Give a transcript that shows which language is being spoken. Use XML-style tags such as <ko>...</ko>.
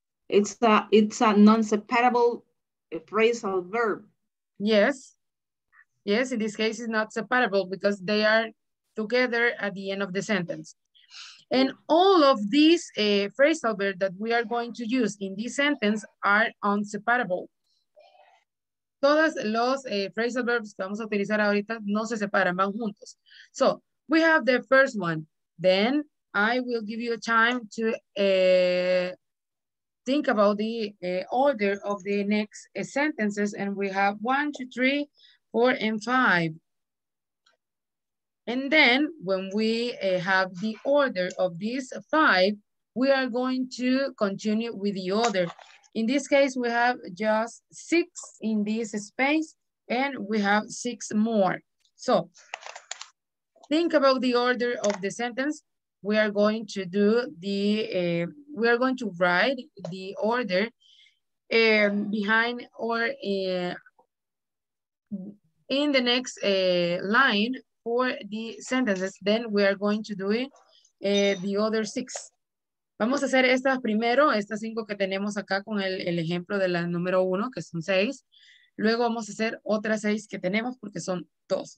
<en>It's a non-separable phrasal verb. Yes. Yes, in this case, it's not separable because they are together at the end of the sentence. And all of these phrasal verbs that we are going to use in this sentence are inseparable.</en> <es>Todos los phrasal verbs que vamos a utilizar ahorita no se separan, van juntos.</es> <en>So, we have the first one. Then, I will give you a time to... think about the order of the next sentences, and we have 1, 2, 3, 4, and 5. And then when we have the order of these 5, we are going to continue with the order. In this case, we have just 6 in this space, and we have 6 more. So think about the order of the sentence. We are going to do the, we are going to write the order behind or in the next line for the sentences. Then we are going to do it the other 6.</en> <es>Vamos a hacer estas primero, estas 5 que tenemos acá con el ejemplo de la número 1, que son 6. Luego vamos a hacer otras 6 que tenemos porque son 2.</es>